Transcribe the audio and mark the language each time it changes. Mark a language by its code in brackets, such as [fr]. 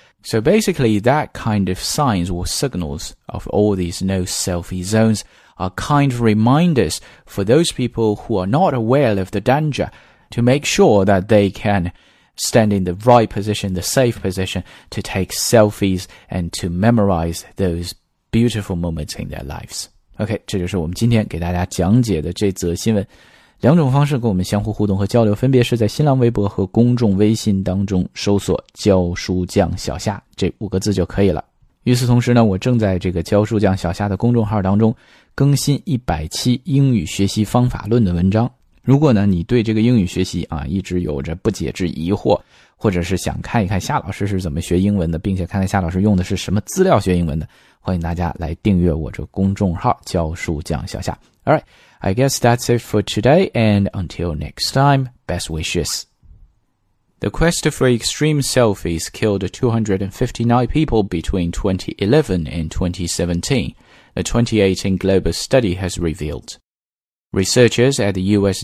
[en] So basically that kind of signs or signals of all these no selfie zones are kind of reminders for those people who are not aware of the danger to make sure that they canstand in the right position, the safe position to take selfies and to memorize those beautiful moments in their lives. [zh] OK, 这就是我们今天给大家讲解的这则新闻。两种方式跟我们相互互动和交流分别是在新浪微博和公众微信当中搜索教书匠小夏这五个字就可以了。与此同时呢我正在这个教书匠小夏的公众号当中更新100期英语学习方法论的文章。如果呢你对这个英语学习啊一直有着不解之疑惑或者是想看一看夏老师是怎么学英文的并且看看夏老师用的是什么资料学英文的欢迎大家来订阅我这公众号教书匠小夏。 [en] Alright, I guess that's it for today and until next time, best wishes. The quest for extreme selfies killed 259 people between 2011 and 2017. The 2018 Global Study has revealed. Researchers at the U.S.